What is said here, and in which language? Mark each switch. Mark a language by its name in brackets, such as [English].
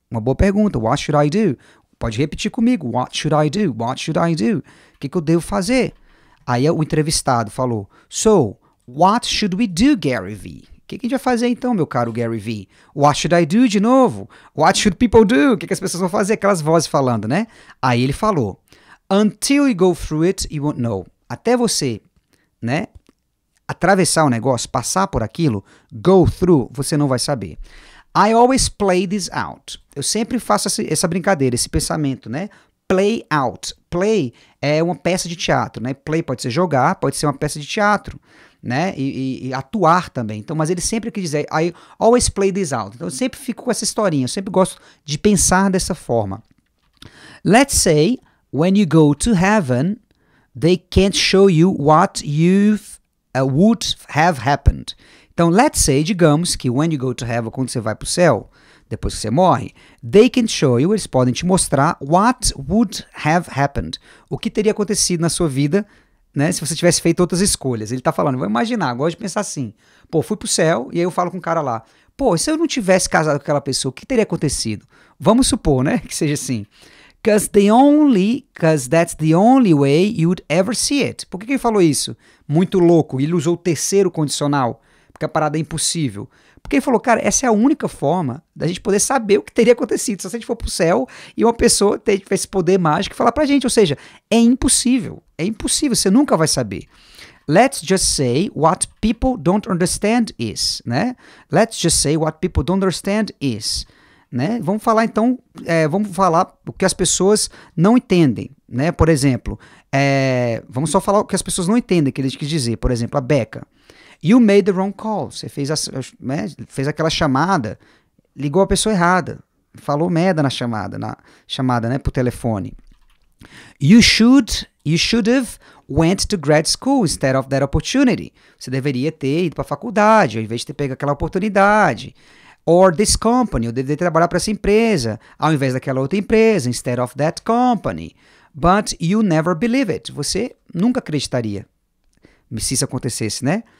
[Portuguese] Uma boa pergunta, [English] what should I do? [Portuguese] Pode repetir comigo, [English] what should I do? What should I do? [Portuguese] O que, que eu devo fazer? Aí o entrevistado falou, [English] so, what should we do, [Portuguese] Gary Vee? O que, que a gente vai fazer então, meu caro Gary Vee? [English] What should I do [Portuguese] de novo? [English] What should people do? [Portuguese] O que, que as pessoas vão fazer? Aquelas vozes falando, né? Aí ele falou, [English] until you go through it, you won't know. [Portuguese] Até você, né, atravessar o negócio, passar por aquilo, go through, você não vai saber. [English] I always play this out. [Portuguese] Eu sempre faço essa brincadeira, esse pensamento, né? [English] Play out. [Portuguese] Play é uma peça de teatro, né? Play pode ser jogar, pode ser uma peça de teatro, né? E atuar também. Então, mas ele sempre quis dizer, [English] I always play this out. [Portuguese] Então, eu sempre fico com essa historinha. Eu sempre gosto de pensar dessa forma. [English] Let's say, when you go to heaven, they can't show you what would have happened. [Portuguese] Então, [English] let's say, [Portuguese] digamos que [English] when you go to heaven, [Portuguese] quando você vai para o céu, depois que você morre, [English] they can show you, [Portuguese] eles podem te mostrar [English] what would have happened. [Portuguese] O que teria acontecido na sua vida, né, se você tivesse feito outras escolhas. Ele está falando, vou imaginar, gosto de pensar assim. Pô, fui para o céu e aí eu falo com o cara lá. Pô, se eu não tivesse casado com aquela pessoa, o que teria acontecido? Vamos supor, né, que seja assim. [English] Because that's the only way you would ever see it. [Portuguese] Por que ele falou isso? Muito louco, ele usou o terceiro condicional. Porque a parada é impossível. Porque ele falou, cara, essa é a única forma da gente poder saber o que teria acontecido. Se a gente for pro céu e uma pessoa tivesse esse poder mágico e falar pra gente. Ou seja, é impossível. É impossível, você nunca vai saber. [English] Let's just say what people don't understand is. Né? Let's just say what people don't understand is. [Portuguese] Né? Vamos falar então, vamos falar o que as pessoas não entendem. Né? Por exemplo, vamos só falar o que as pessoas não entendem, que a gente quis dizer. Por exemplo, a Becca. [English] You made the wrong call. [Portuguese] Você fez, né? Fez aquela chamada, ligou a pessoa errada. Falou merda na chamada, né? Por telefone. [English] You should have went to grad school instead of that opportunity. [Portuguese] Você deveria ter ido para a faculdade, ao invés de ter pego aquela oportunidade. [English] Or this company, [Portuguese] eu deveria trabalhar para essa empresa, ao invés daquela outra empresa, [English] instead of that company. But you never believe it. [Portuguese] Você nunca acreditaria se isso acontecesse, né?